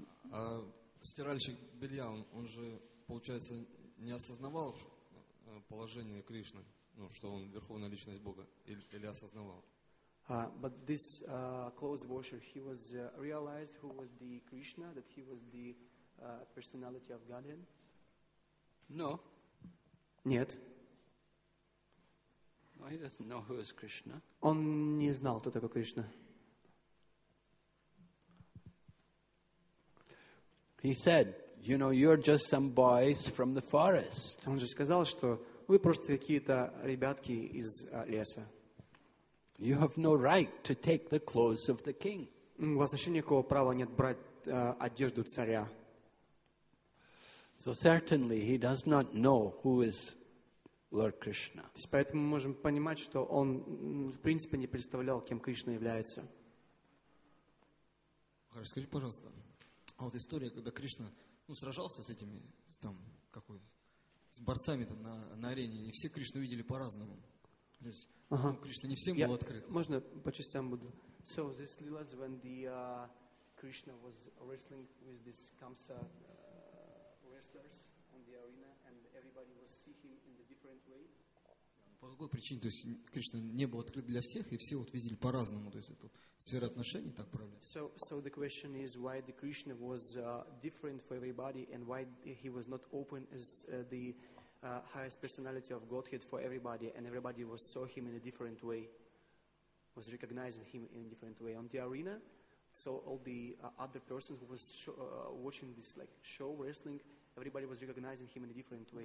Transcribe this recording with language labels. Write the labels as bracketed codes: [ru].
[ru] А стиральщик белья, он же, получается, не осознавал положение Кришны, ну, что он верховная личность Бога, или осознавал? [en] But this clothes washer, he was realized who was the Krishna, that he was the personality of Godhead? No. [ru] Нет. [en] No, he doesn't know who is Krishna. [ru] Он не знал, кто такой Кришна. [en] He said, "You know, you're just some boys from the forest." [ru] Он же сказал, что вы просто какие-то ребятки из леса. [en] You have no right to take the clothes of the king. [ru] У вас вообще никакого права нет брать одежду царя. [en] So certainly he does not know who is Lord Krishna. [ru] То есть поэтому мы можем понимать, что он в принципе не представлял, кем Кришна является. Хорошо, скажите, пожалуйста. А вот история, когда Кришна, ну, сражался с этими, там, какой, с борцами там на арене, и все Кришну видели по-разному. То есть, ага. Ну, Кришна не всем был открыт. Можно по частям буду? [en] So, this is when the, Krishna was wrestling with these Kamsa wrestlers on the arena, and everybody was seeing him in a different way. [ru] По какой причине, то есть Кришна не был открыт для всех, и все вот видели по-разному, то есть это вот сфера отношений так проявляется. [en] So the question is why the Krishna was different for everybody and why he was not open as the highest personality of Godhead for everybody and everybody was saw him in a different way, was recognizing him in a different way on the arena. So all the other persons who was watching this like show wrestling, everybody was recognizing him in a different way.